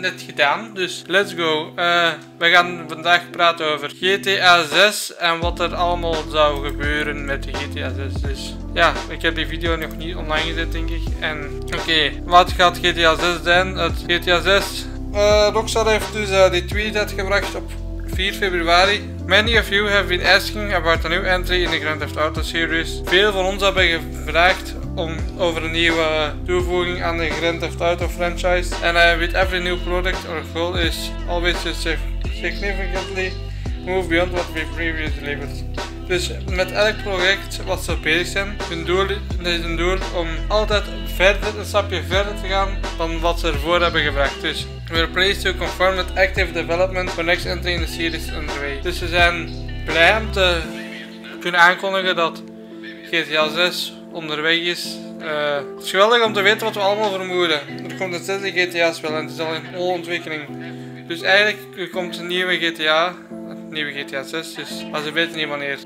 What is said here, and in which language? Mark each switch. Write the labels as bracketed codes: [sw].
[nl] Net gedaan, dus [en] let's go. [nl] We gaan vandaag praten over GTA 6 en wat er allemaal zou gebeuren met de GTA 6. Dus ja, ik heb die video nog niet online gezet, denk ik. En oké, wat gaat GTA 6 zijn? Het GTA 6. Rockstar heeft dus die tweet uitgebracht op 4 februari. [en] Many of you have been asking about a new entry in the Grand Theft Auto series. [nl] Veel van ons hebben gevraagd om over een nieuwe toevoeging aan de Grand Theft Auto franchise. [en] And with every new product, our goal is always to significantly move beyond what we previously delivered. [nl] Dus met elk project wat ze bezig zijn, hun doel om altijd verder, een stapje verder te gaan dan wat ze ervoor hebben gevraagd. [en] Dus we're pleased to confirm that active development for next entry in the series is underway. [nl] Dus ze zijn blij om te kunnen aankondigen dat GTA 6 onderweg is. Het is geweldig om te weten wat we allemaal vermoeden. Er komt een 6e GTA-spel en het is al in volle ontwikkeling. Dus eigenlijk komt een nieuwe GTA. Nieuwe GTA 6, dus, maar ze weten niet wanneer.